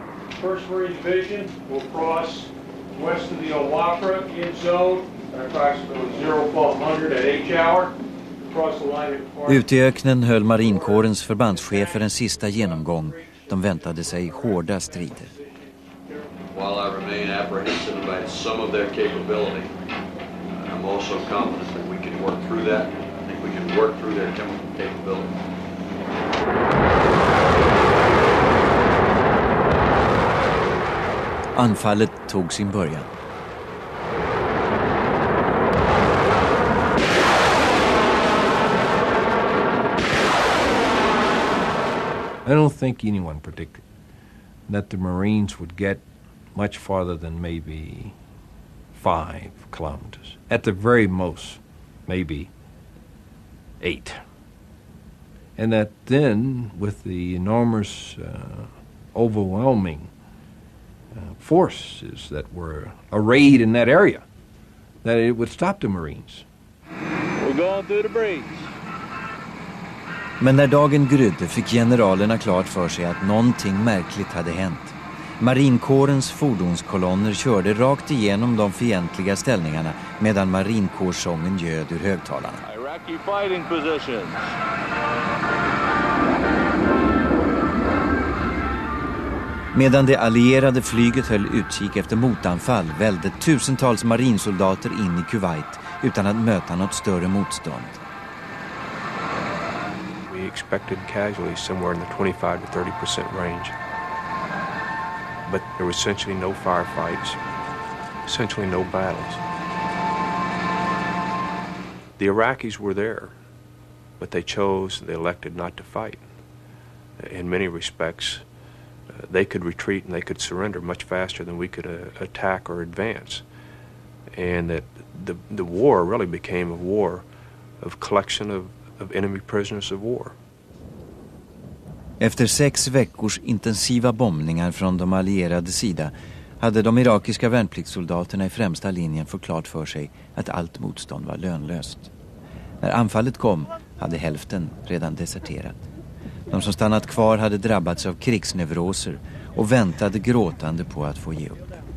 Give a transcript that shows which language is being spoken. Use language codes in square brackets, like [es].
[en] First Marine Division will cross west of the Owapra in zone at approximately 0-1200 at H hour. Across the line. [sv] Ute i öknen höll marinkårens förbandschefer en sista genomgång. De väntade sig hårda strider. [en] While I remain apprehensive about some of their capability, I'm also confident that we can work through that. I think we can work through their chemical capability. [sv] Anfallet tog sin början. [en] I don't think anyone predicted that the Marines would get much farther than maybe 5 kilometers. At the very most, maybe 8. And that then, with the enormous, overwhelming forces that were arrayed in that area, that it would stop the Marines. We're going through the breach. [sv] Men när dagen grydde fick generalerna klart för sig att någonting märkligt hade hänt. Marinkårens fordonskolonner körde rakt igenom de fientliga ställningarna medan marinkårssången ljöd ur högtalarna. [en] Iraqi fighting positions. [sv] Medan det allierade flyget höll utkik efter motanfall välde tusentals marinsoldater in i Kuwait utan att möta något större motstånd. [en] Expected casualties somewhere in the 25-30% range, but there was essentially no firefights, essentially no battles. The Iraqis were there, but they chose, they elected not to fight. In many respects, they could retreat and they could surrender much faster than we could attack or advance, and that the war really became a war of collection of enemy prisoners of war. [sv] Efter 6 veckors intensiva bombningar från de allierade sida hade de irakiska värnpliktssoldaterna i främsta linjen förklarat för sig att allt motstånd var lönlöst. När anfallet kom hade hälften redan deserterat. De som stannat kvar hade drabbats av krigsneuroser och väntade gråtande på att få ge upp.